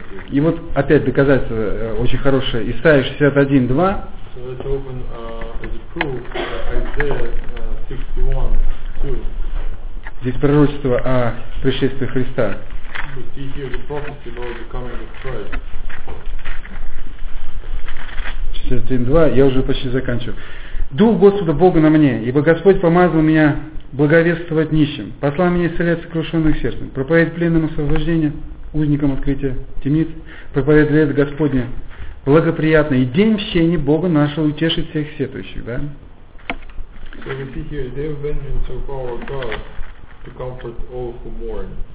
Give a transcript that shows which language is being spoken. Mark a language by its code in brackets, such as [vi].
[ru] И вот опять доказательство очень хорошее. Исайя 61.2. [en] So let's open as a proof Isaiah 61:2. [ru] Здесь пророчество о пришествии Христа. [en] We see here the prophecy about the coming of Christ. [ru] 61.2, я уже почти заканчиваю. «Дух Господа Бога на мне, ибо Господь помазал меня благовествовать нищим, послал меня исцелять сокрушенных сердцем, проповедовать пленным освобождение, узникам открытия темниц, проповедовать лето Господне благоприятное, и день мщения Бога нашего утешить всех сетующих». Да? [en] So we see here, they have vengeance of our God to comfort all who mourn.